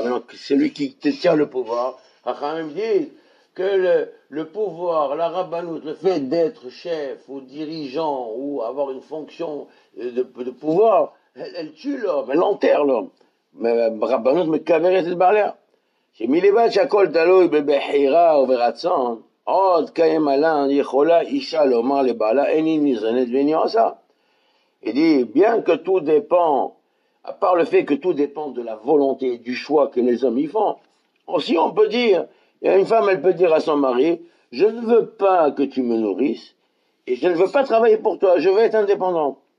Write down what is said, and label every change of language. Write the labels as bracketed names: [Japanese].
[French] Maintenant, celui qui tient le pouvoir, Hachamim dit que le pouvoir, la rabbanout, le fait d'être chef ou dirigeant ou avoir une fonction de pouvoir, elle tue l'homme, elle enterre l'homme. Mais rabbanout, mais caméra, c'est de barrière. [Hebrew] שמלבד שהכל תלוי בבחירה וברצון, עוד קיים עלן יכולה אישה לומר לבעלה, איני נזנת ואיני עושה. [French] Il dit, bien que tout dépend, à part le fait que tout dépend de la volonté et du choix que les hommes y font, aussi on peut dire, une femme elle peut dire à son mari, je ne veux pas que tu me nourrisses, et je ne veux pas travailler pour toi, je veux être indépendant.